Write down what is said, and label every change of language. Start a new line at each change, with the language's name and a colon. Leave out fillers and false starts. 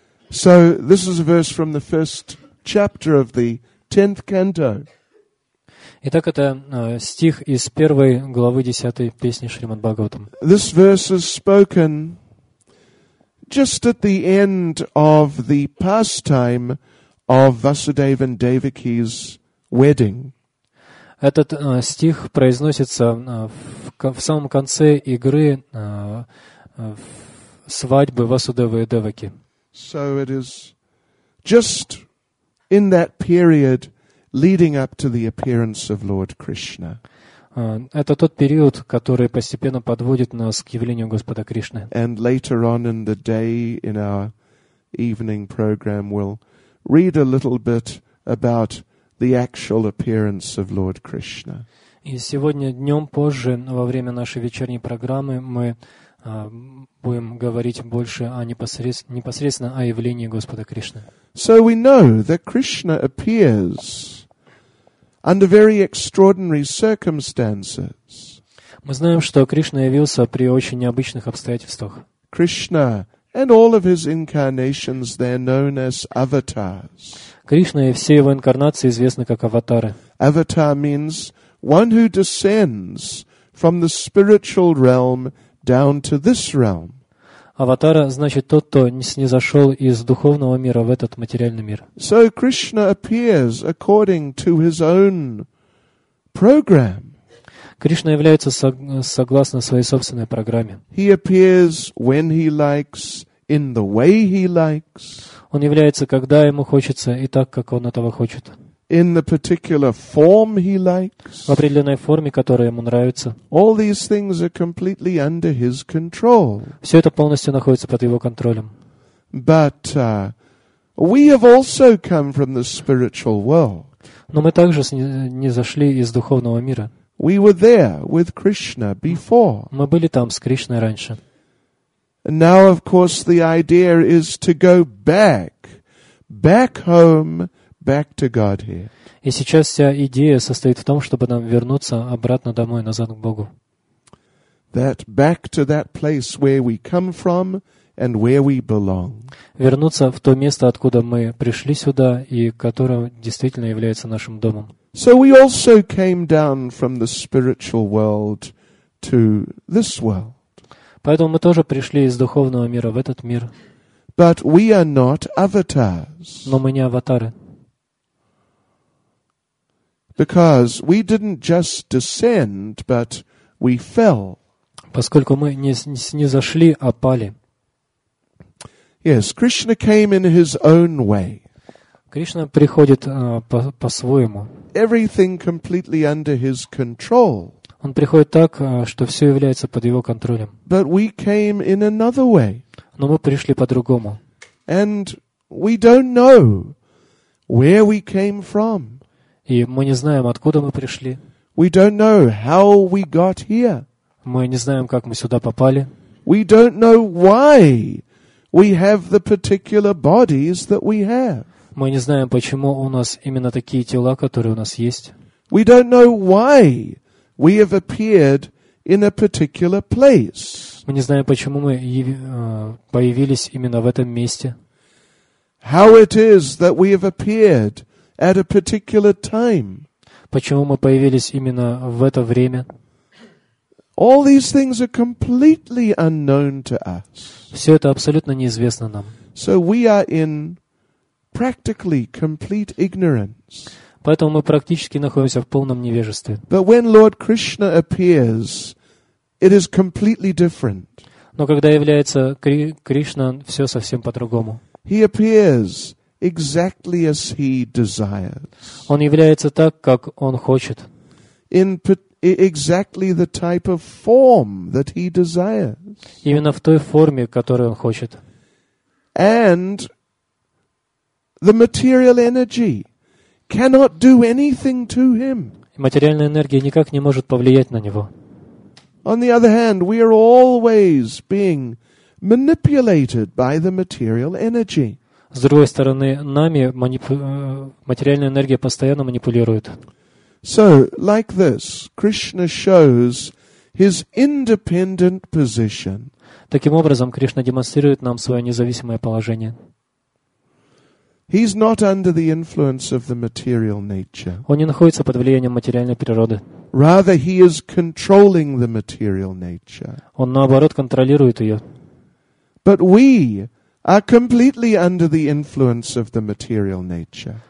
English: So this is a verse from the first chapter of the 10th canto.
Russian: Итак, это стих из первой главы 10-й песни Шримад Бхагаватам.
English: This verse is spoken just at the end of the pastime of Vasudeva and Devaki's wedding.
Russian: Этот стих произносится в самом конце игры свадьбы Васудевы и Деваки.
English: So it is just in that period leading up to the appearance of Lord Krishna.
Russian: Это тот период, который постепенно подводит нас к явлению Господа Кришны.
English: And later on in the day in our evening program we'll read a little bit about the actual appearance of Lord Krishna.
Russian: И сегодня днем позже, во время нашей вечерней программы, мы будем говорить больше о непосредственно о явлении Господа Кришны.
English: So we know that Krishna appears under very extraordinary circumstances.
Russian: Мы знаем, что Кришна явился при очень необычных обстоятельствах.
English: Krishna and all of his incarnations, they're known as avatars.
Russian: Кришна и все его инкарнации известны как аватары.
English: Avatar means one who descends from the spiritual realm down to this realm.
Russian: Аватара значит тот, кто снизошел из духовного мира в этот материальный мир.
English: So Krishna appears according to his own program.
Russian: Кришна является согласно своей собственной программе.
English: He appears when he likes, in the way he likes.
Russian: Он является, когда ему хочется, и так, как он этого хочет.
English: In the particular form he likes.
Russian: В определенной форме, которая ему нравится.
English: All these things are completely under his control.
Russian: Все это полностью находится под его контролем.
English: But we have also come from the spiritual world.
Russian: Но мы также не зашли из духовного мира.
English: We were there with Krishna before.
Russian: Мы были там с Кришной раньше.
English: And now, of course, the idea is to go back home, back to Godhead.
Russian: И сейчас вся идея состоит в том, чтобы нам вернуться обратно домой, назад к Богу.
English: That back to that place where we come from and where we belong.
Russian: Вернуться в то место, откуда мы пришли сюда и которое действительно является нашим домом.
English: So we also came down from the spiritual world to this world.
Russian: Поэтому мы тоже пришли из духовного мира в этот мир.
English: But we are not avatars.
Russian: Но мы не аватары.
English: Because we didn't just descend, but we fell.
Russian: Поскольку мы не зашли, а пали.
English: Yes, Krishna came in his own way.
Russian: Кришна приходит по-своему.
English: Everything completely under his control.
Russian: Он приходит так, что все является под его контролем.
English: But we came in another way.
Russian: Но мы пришли по-другому.
English: And we don't know where we came from.
Russian: И мы не знаем, откуда мы пришли.
English: We don't know how we got here.
Russian: Мы не знаем, как мы сюда попали.
English: We don't know why we have the particular bodies that we have.
Russian: Мы не знаем, почему у нас именно такие тела, которые у нас есть.
English: We don't know why we have appeared in a particular place.
Russian: Мы не знаем, почему мы появились именно в этом месте.
English: How it is that we have appeared at a particular time.
Russian: Почему мы появились именно в это время?
English: All these things are completely unknown to us.
Russian: Все это абсолютно неизвестно нам.
English: So we are in practically complete ignorance.
Russian: Поэтому мы практически находимся в полном невежестве.
English: But when Lord Krishna appears, it is completely different.
Russian: Но когда является Кришна, все совсем по-другому.
English: He appears exactly as he desires.
Russian: Он является так, как он хочет.
English: In exactly the type of form that he desires.
Russian: Именно в той форме, которую он хочет.
English: And the material energy cannot do anything to him.
Russian: Материальная энергия никак не может повлиять на него.
English: On the other hand, we are always being manipulated by the material energy.
Russian: С другой стороны, нами материальная энергия постоянно манипулирует.
English: So, like this, Krishna shows his independent position.
Russian: Таким образом, Кришна демонстрирует нам свое независимое положение.
English: He's not under the influence of the material nature.
Russian: Он не находится под влиянием материальной природы.
English: Rather, he is controlling the material nature.
Russian: Он наоборот контролирует ее.
English: But we are completely under the influence of the material nature.